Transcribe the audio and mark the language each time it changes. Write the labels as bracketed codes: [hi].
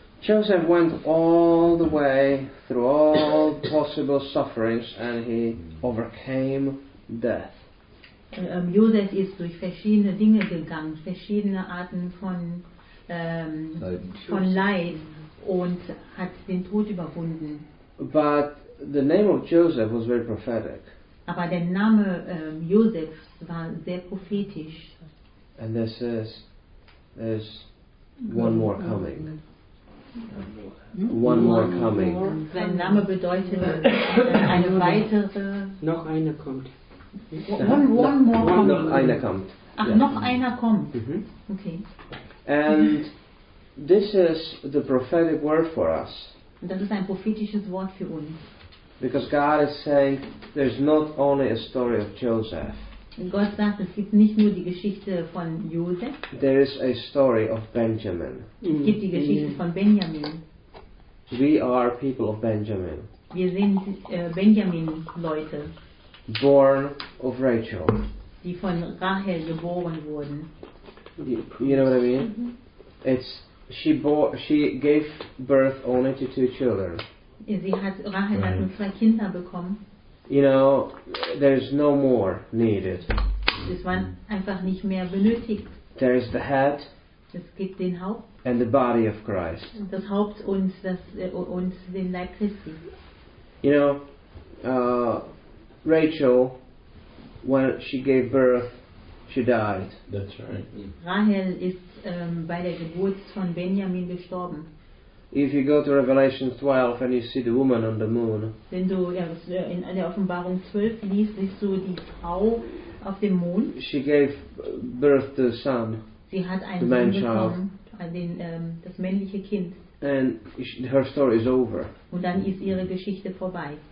[en] Joseph went all the way through all possible sufferings and he overcame death. [de] Joseph ist durch verschiedene Dinge gegangen, verschiedene Arten von Leid und hat den Tod überwunden. [en] But the name of Joseph was very prophetic. [de] Aber der Name Joseph war sehr prophetisch. [en] And this is one more coming. One more coming. [de] Sein Name bedeutet eine weitere. Noch einer kommt. Noch einer kommt. Ach, noch einer kommt. Okay. [en] And this is the prophetic word for us. [de] Das ist ein prophetisches Wort für uns. [en] Because God is saying there's not only a story of Joseph. [de] Gott sagt, es gibt nicht nur die Geschichte von Joseph. [en] There is a story of Benjamin. [de] Es gibt die Geschichte von Benjamin. [en] We are people of Benjamin. [de] Wir sind Benjamin-Leute. [en] Born of Rachel. [de] Die von Rachel geboren wurden. [en] You know what I mean? It's she gave birth only to two children. [de] Sie hat Rachel hat nur zwei Kinder bekommen. [en] You know, there's no more needed. [de] Es war einfach nicht mehr benötigt. [en] There is the head. [de] Es gibt den Haupt. [en] And the body of Christ. [de] Das Haupt und den Leib Christi. [en] You know, Rachel, when she gave birth, she died. That's right. [de] Rachel ist bei der Geburt von Benjamin gestorben. [en] If you go to Revelation 12 and you see the woman on the moon. [de] Wenn du in der Offenbarung 12 liest, siehst du die Frau auf dem Mond. [en] She gave birth to a son. [de] Sie hat einen Sohn bekommen, das männliche Kind. [en] And her story is over. [de] Und dann ist ihre Geschichte vorbei.